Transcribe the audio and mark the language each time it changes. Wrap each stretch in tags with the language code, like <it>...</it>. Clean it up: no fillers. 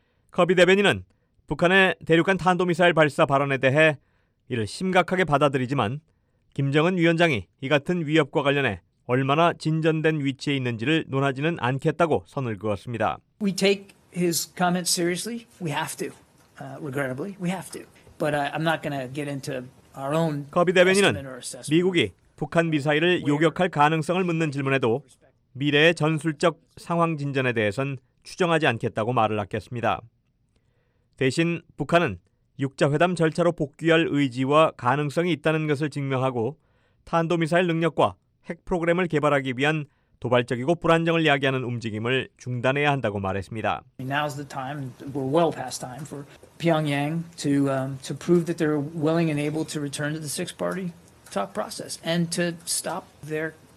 <ko>커비 대변인은 북한의 대륙간 탄도미사일 발사 발언에 대해 이를 심각하게 받아들이지만 김정은 위원장이 이 같은 위협과 관련해 얼마나 진전된 위치에 있는지를 논하지는 않겠다고 선을 그었습니다.</ko> <en>We take his comments seriously. We have to. Regrettably, we have to. But I'm not going to get into our own.</en> <ko>커비 대변인은 미국이 북한 미사일을 요격할 가능성을 묻는 질문에도 미래의 전술적 상황 진전에 대해선 추정하지 않겠다고 말을 아꼈습니다. 대신 북한은 육자회담 절차로 복귀할 의지와 가능성이 있다는 것을 증명하고 탄도미사일 능력과 핵 프로그램을 개발하기 위한 도발적이고 불안정을 야기하는 움직임을 중단해야 한다고 말했습니다.</ko> <en>Now's the time. We're well past time for Pyongyang to prove that they're willing and able to return to the six-party talk process and to stop their</en>